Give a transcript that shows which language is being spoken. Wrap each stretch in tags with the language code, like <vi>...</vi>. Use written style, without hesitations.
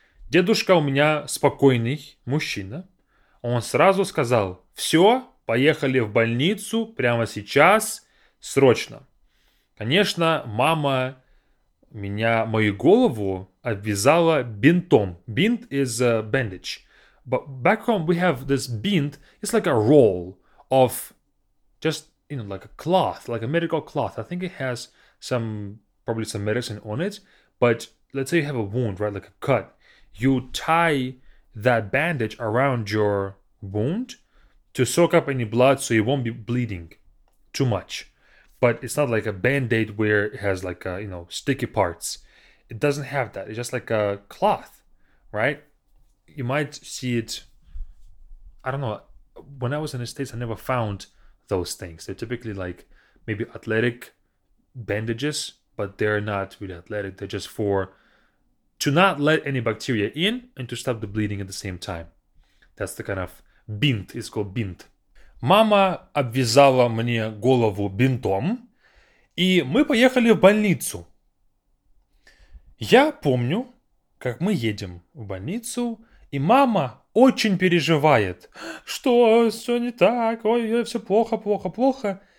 <ru>Дедушка у меня спокойный мужчина. Он сразу сказал, все, поехали в больницу прямо сейчас, срочно. Конечно, мама меня, мою голову, обвязала бинтом.</ru> <en>Bint is a bandage. But back home we have this bint. It's like a roll of just, you know, like a cloth, like a medical cloth. I think it has probably some medicine on it. But let's say you have a wound, right, like a cut. You tie that bandage around your wound to soak up any blood so you won't be bleeding too much. But it's not like a band-aid where it has like, you know, sticky parts. It doesn't have that. It's just like a cloth, right? You might see it. I don't know. When I was in the States, I never found those things. They're typically like maybe athletic bandages, but they're not really athletic. They're just for to not let any bacteria in and to stop the bleeding at the same time. That's the kind of bint. It's called bint.</en> <ru>Мама обвязала мне голову бинтом, и мы поехали в больницу. Я помню, как мы едем в больницу, и мама очень переживает. Что, все не так? Ой, все плохо, плохо, плохо.</ru>